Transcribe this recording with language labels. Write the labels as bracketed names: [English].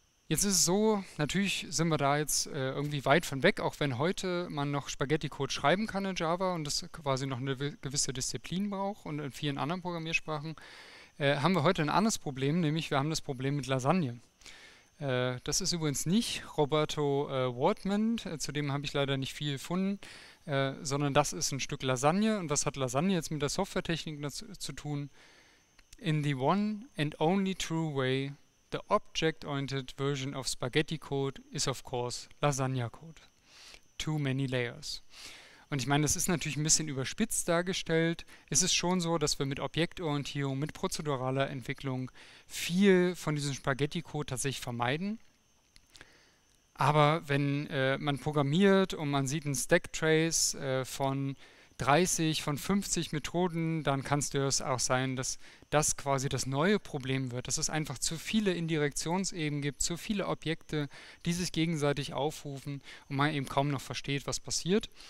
[German] Jetzt ist es so, natürlich sind wir da jetzt irgendwie weit von weg, auch wenn heute man noch Spaghetti-Code schreiben kann in Java und das quasi noch eine gewisse Disziplin braucht, und in vielen anderen Programmiersprachen, haben wir heute ein anderes Problem, nämlich wir haben das Problem mit Lasagne. Das ist übrigens nicht Roberto Wortmann, zu dem habe ich leider nicht viel gefunden, sondern das ist ein Stück Lasagne. Und was hat Lasagne jetzt mit der Softwaretechnik zu tun? [English] In the one and only true way, the object-oriented version of Spaghetti Code is of course Lasagna Code. Too many layers. [German] Und ich meine, das ist natürlich ein bisschen überspitzt dargestellt. Es ist schon so, dass wir mit Objektorientierung, mit prozeduraler Entwicklung viel von diesem Spaghetti Code tatsächlich vermeiden. Aber wenn man programmiert und man sieht einen Stacktrace von 30, von 50 Methoden, dann kannst du es auch sein, dass das quasi das neue Problem wird, dass es einfach zu viele Indirektionsebenen gibt, zu viele Objekte, die sich gegenseitig aufrufen und man eben kaum noch versteht, was passiert.